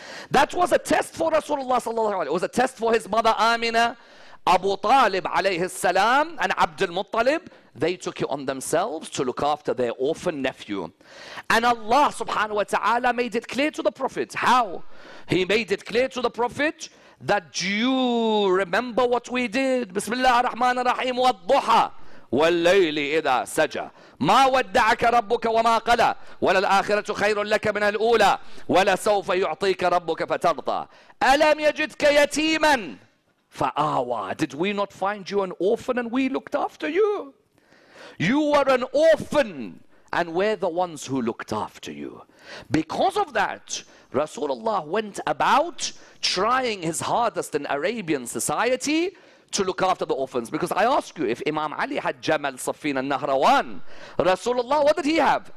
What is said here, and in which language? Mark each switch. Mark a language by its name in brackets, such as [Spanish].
[English] That was a test for Rasulullah sallallahu alayhi wa sallam. It was a test for his mother Amina, Abu Talib alayhi salam, and Abdul Muttalib. They took it on themselves to look after their orphan nephew. And Allah subhanahu wa ta'ala made it clear to the Prophet. How? He made it clear to the Prophet that, do you remember what we did? [Arabic] Bismillah ar-Rahman ar-Rahim wa al-Duha. والليل إذا سجى ما ودعك ربك وما قلى وللآخرة خير لك من الأولى ولسوف يعطيك ربك فترضى ألم يجدك يتيما فآوى. [English] Did we not find you an orphan and we looked after you? You were an orphan, and we're the ones who looked after you. Because of that, Rasulullah went about trying his hardest in Arabian society to look after the orphans. Because I ask you, if Imam Ali had Jamal, Safin, and Nahrawan, Rasulullah, what did he have?